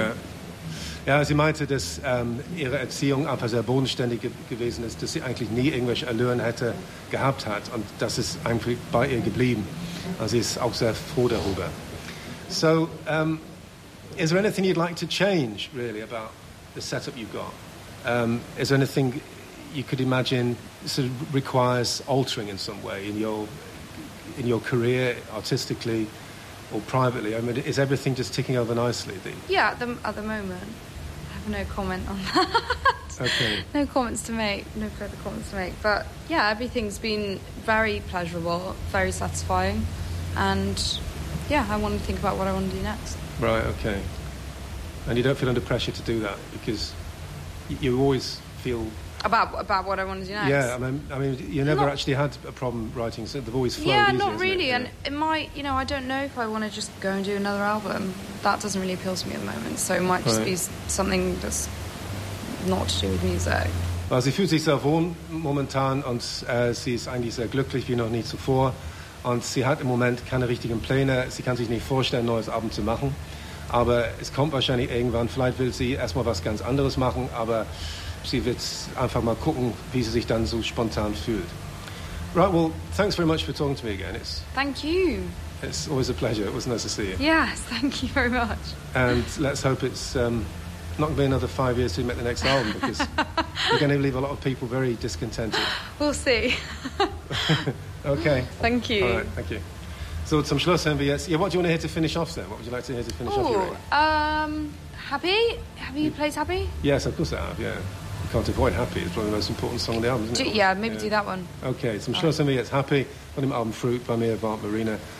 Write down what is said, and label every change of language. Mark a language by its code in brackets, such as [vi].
[de] Yeah. Ja, sie meinte, dass ihre Erziehung einfach sehr bodenständig gewesen ist, dass sie eigentlich nie irgendwelche Allüren gehabt hat. Und das ist eigentlich bei ihr geblieben. Also sie ist auch sehr froh darüber. [en] So, is there anything you'd like to change, really, about the setup you've got? Is there anything you could imagine sort of requires altering in some way in your career, artistically, or privately? I mean, is everything just ticking over nicely? Yeah, at the moment. I have no comment on that. Okay. No further comments to make. But, yeah, everything's been very pleasurable, very satisfying. And, yeah, I want to think about what I want to do next. Right, okay. And you don't feel under pressure to do that, because you always feel... About what I want to do next. Yeah, I mean, you never actually had a problem writing, so they've always flowed. Yeah, easy, not really. It? And it might, you know, I don't know if I want to just go and do another album. That doesn't really appeal to me at the moment. So it might just be something that's not to do with music. [de] Well, sie fühlt sich sehr wohl momentan und sie ist eigentlich sehr glücklich wie noch nie zuvor. Und sie hat im Moment keine richtigen Pläne. Sie kann sich nicht vorstellen, ein neues Album zu machen. Aber es kommt wahrscheinlich irgendwann. Vielleicht will sie erstmal was ganz anderes machen, aber sie wird einfach mal gucken, wie sie sich dann so spontan fühlt. [en] Right, well, thanks very much for talking to me again. Thank you. It's always a pleasure. It was nice to see you. Yes, thank you very much. And let's hope it's not going to be another 5 years till we make the next album, because we're going to leave a lot of people very discontented. We'll see. Okay. Thank you. All right, thank you. [de] So, zum Schluss haben wir jetzt... [en] Yeah, what do you want to hear to finish off, then? What would you like to hear to finish off your era? Happy? Have you played Happy? Yes, of course I have, yeah. You can't avoid Happy. It's probably the most important song on the album, isn't it? Yeah, maybe do that one. [de] Okay, zum Schluss haben wir jetzt Happy von dem Album Fruit bei mir, Bart Marina.